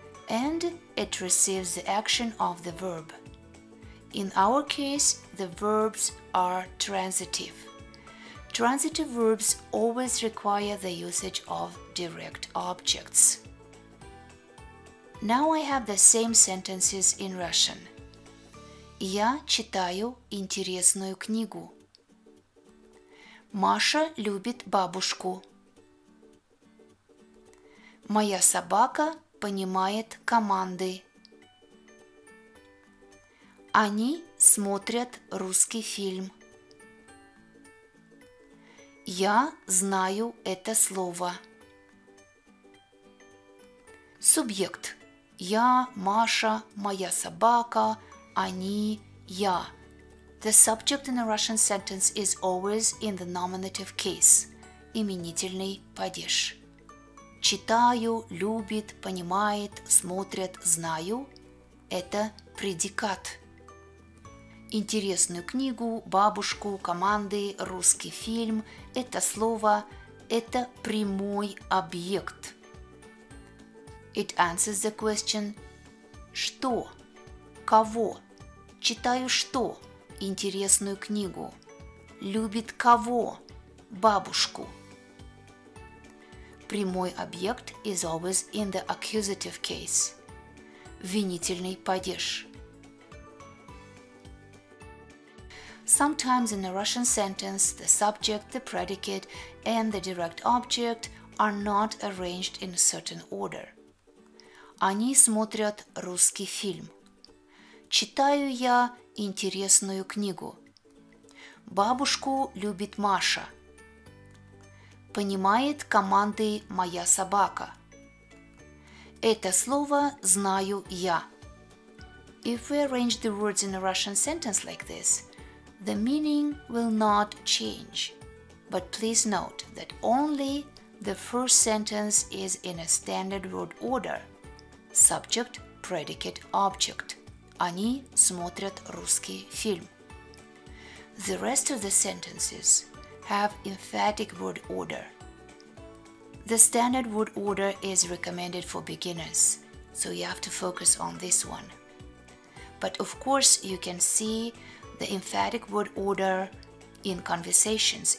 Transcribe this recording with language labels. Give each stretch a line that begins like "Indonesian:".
English: And it receives the action of the verb. In our case, the verbs are transitive. Transitive verbs always require the usage of direct objects. Now I have the same sentences in Russian.
Russian: Я читаю интересную книгу. Маша любит бабушку. Моя собака понимает команды. Они смотрят русский фильм. Я знаю это слово. Субъект. Я, Маша, моя собака, они, я.
English: The subject in a Russian sentence is always in the nominative case.
Russian: Именительный падеж. Читаю, любит, понимает, смотрят, знаю. Это предикат. Интересную книгу, бабушку, команды, русский фильм. Это слово. Это прямой объект.
English: It answers the question
Russian: «Что?», «Кого?», «Читаю что?», «Интересную книгу?», «Любит кого?», «Бабушку?». Прямой объект
English: is always in the accusative case.
Russian: Винительный падеж.
English: Sometimes in a Russian sentence, the subject, the predicate, and the direct object are not arranged in a certain order.
Russian: Они смотрят русский фильм. Читаю я интересную книгу. Бабушку любит Маша. Понимает команды моя собака. Это слово знаю я.
English: If we arrange the words in a Russian sentence like this, the meaning will not change. But please note that only the first sentence is in a standard word order. Subject, predicate, object.
Russian: Они смотрят русский фильм.
English: The rest of the sentences have emphatic word order. The standard word order is recommended for beginners, so you have to focus on this one. But of course, you can see the emphatic word order in conversations.